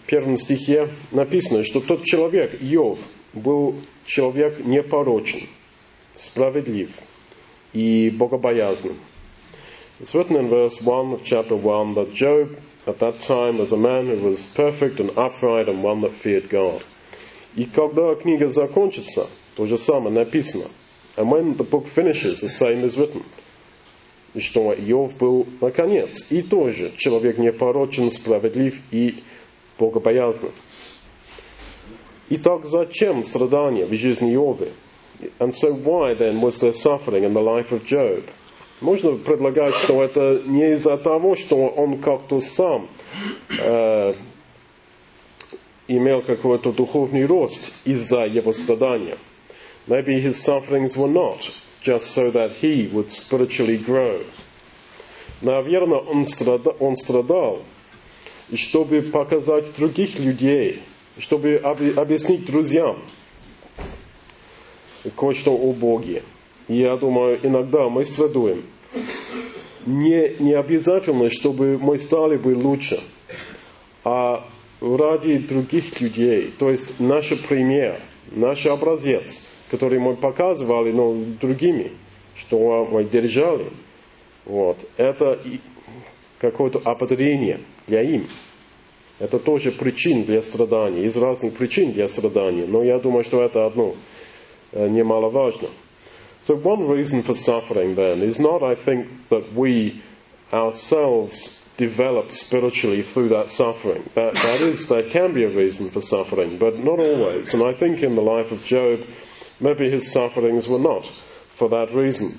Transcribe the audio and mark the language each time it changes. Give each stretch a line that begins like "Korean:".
Russian: В первом стихе написано, что тот человек, Иов, был человек непорочен, справедлив и богобоязным.
English: It's written in verse 1 of chapter 1 that Job at that time was a man who was perfect and upright and one that feared God.
Russian: И когда книга закончится, то же самое написано.
English: And when the book finishes, the same is written.
Russian: и что Иов был, наконец, и тоже человек непорочен, справедлив и богобоязнен. Итак, зачем страдания в жизни Иова?
English: And so why then was there suffering in the life of Job?
Russian: Можно предлагать, что это не из-за того, что он как-то сам имел какой-то духовный рост из-за его страдания.
English: Maybe his sufferings were not just so that he would spiritually grow.
Russian: Наверное, он страдал, чтобы показать других людей, чтобы объяснить друзьям кое-что о Боге. Я думаю, иногда мы страдуем. Не обязательно, чтобы мы стали бы лучше, а ради других людей. То есть наш пример, наш образец, который мы показывали, но другими, что мы держали, вот, это какое-то ободрение для им. Это тоже причин для страдания, из разных причин для страдания. Но я думаю, что это одно немаловажно.
English: So one reason for suffering then is not, I think, that we ourselves develop spiritually through that suffering. That is, there can be a reason for suffering, but not always. And I think in the life of Job, maybe his sufferings were not for that reason.